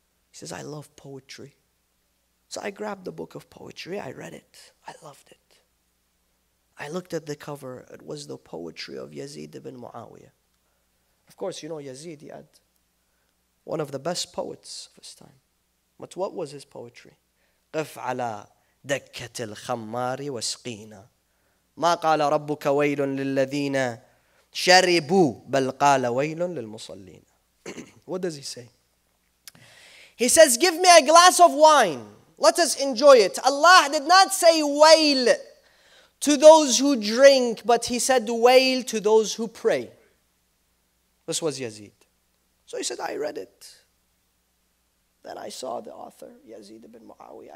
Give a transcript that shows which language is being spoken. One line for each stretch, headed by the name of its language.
English: He says, I love poetry. So I grabbed the book of poetry. I read it. I loved it. I looked at the cover. It was the poetry of Yazid ibn Muawiyah. Of course, you know Yazid, he had one of the best poets of his time. But what was his poetry?
Arabic: قف على دكة الخمار وسقينا ما قال ربك ويل للذين شربوا بل قال ويل للمصلين.
English: What does he say? He says, give me a glass of wine. Let us enjoy it. Allah did not say wail to those who drink, but he said wail to those who pray. This was Yazid. So he said, I read it. Then I saw the author, Yazid ibn Muawiyah.